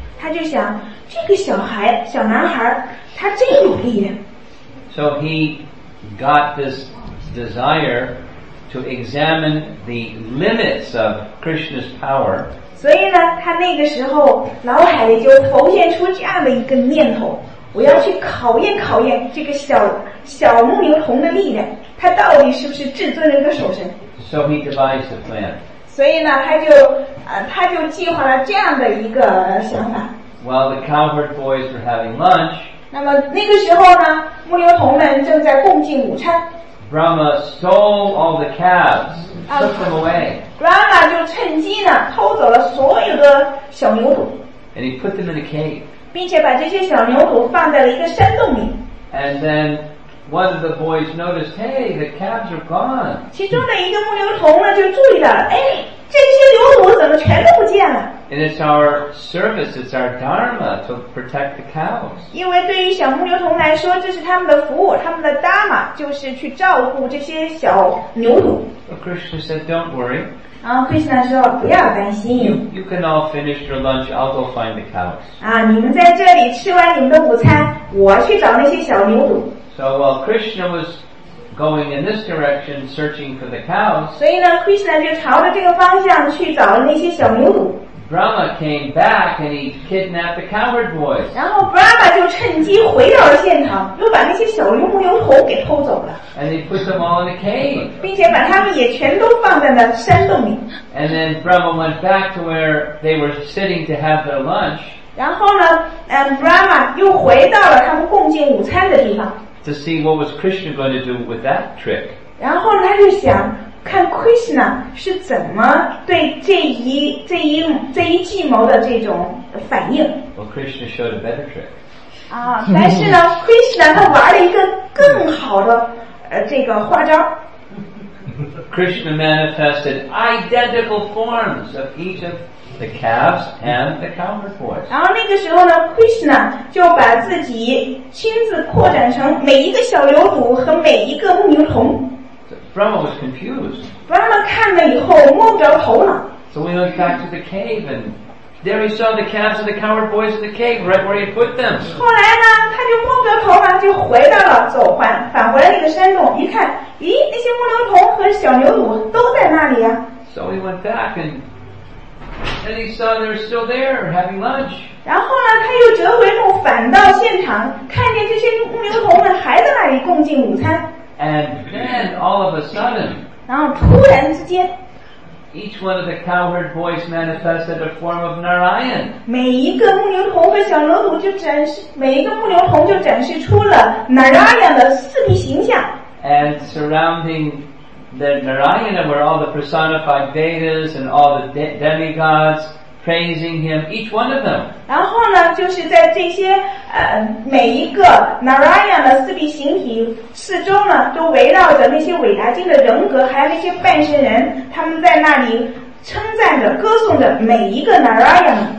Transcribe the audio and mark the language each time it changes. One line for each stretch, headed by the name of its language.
Chinese: 他就想，这个小孩，小男孩，他真有力量。
English: So he got this desire to examine the limits of Krishna's power.
Chinese: 所以呢，他那个时候脑海里就浮现出这样的一个念头：我要去考验考验这个小牧牛童的力量，他到底是不是至尊人的守神。
English: So he devised a plan.
Chinese: 所以呢，他就计划了这样的一个想法。
English: While the cowherd boys were having lunch,
Chinese: 那么那个时候呢，牧牛童们正在共进午餐。
English: Brahma stole all the calves, took them away.
Chinese: Brahma 就趁机呢偷走了所有的小牛犊。
English: And he put them in a cave.
Chinese: 并且把这些小牛犊放在了一个山洞里。
English: And then one of the boys noticed, hey, the calves are gone.
Chinese: 其中的一个牧牛童呢就注意到了，哎，这些牛犊怎么全都不见了？
English: And it's our service, it's our dharma to protect the cows.
Chinese: 因为对于小牧牛童来说，这是他们的服务，他们的 dharma 就是去照顾这些小牛犊。
English: So Krishna said, don't worry.
Chinese: 然后 Krishna 说不要担心。
English: You can all finish your lunch, I'll go find the cows.
Chinese: 啊，你们在这里吃完你们的午餐，我去找那些小牛犊。
English: So while Krishna was going in this direction searching for the cows,
Chinese: 所以呢 ，Krishna 就朝着这个方向去找了那些小牛犊。
English: Brahma came back and he kidnapped the cowherd boys.
Chinese: 然后 Brahma 就趁机回到了现场，又把那些小牧牛童给偷走了。
English: And he put them all in a cave.
Chinese: 并且把他们也全都放在了山洞里。
English: And then Brahma went back to where they were sitting to have their lunch.
Chinese: 然后呢 ，Brahma 又回到了他们共进午餐的地方。
English: To see what was Krishna going to do with that trick.
Chinese: 然后他就想，看 Krishna 是怎么对这一计谋的这种反应。
English: Well, Krishna showed a better trick.
Chinese: 啊，但是呢，Krishna 他玩了一个更好的这个花招。
English: Krishna manifested identical forms of each of the calves and the cowherd boys.
Chinese: 然后那个时候呢，Krishna 就把自己亲自扩展成每一个小牛犊和每一个牧牛童。
English: Brahma was confused.
Chinese: Brahma 看了以后摸不着头脑。
English: So we went back to the cave and There he saw the calves and the coward boys in the cave, right where he put them.
Chinese: 后来呢，他就摸着头发就回到了走环，返回了那个山洞。一看，咦，那些牧牛童和小牛犊都在那里呀。
English: So he went back and he saw they're still there having lunch.
Chinese: 然后呢，他又折回路返到现场，看见这些牧牛童们还在那里共进午餐。
English: And then all of a sudden.
Chinese: 然后突然之间。
English: Each one of the cowherd boys manifested a form of Narayan.
Chinese: 每一个牧牛童和小牛犊就展示，每一个牧牛童就展示出了 Narayan 的四谛形象。
English: And surrounding the Narayana were all the personified Vedas and all the demigods praising him, each one of them.
Chinese: 然后呢，就是在这些每一个 Narayan 的四谛形体四周呢，都围绕着那些伟大经的人格，还有那些半神人，他们在那里称赞着、歌颂着每一个 Narayan。